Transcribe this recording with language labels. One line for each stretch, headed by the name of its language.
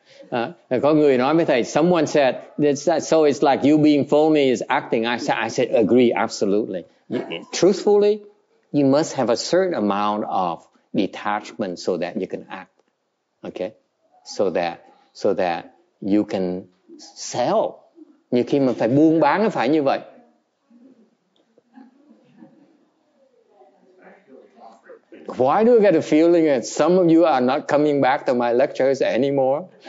English: Someone said, so it's like you being phony is acting. I said, agree, absolutely. Truthfully, you must have a certain amount of detachment so that you can act, okay? So that you can sell.
Vietnamese: Nhiều khi mà phải buôn bán phải như vậy.
English: Why do I get a feeling that some of you are not coming back to my lectures anymore?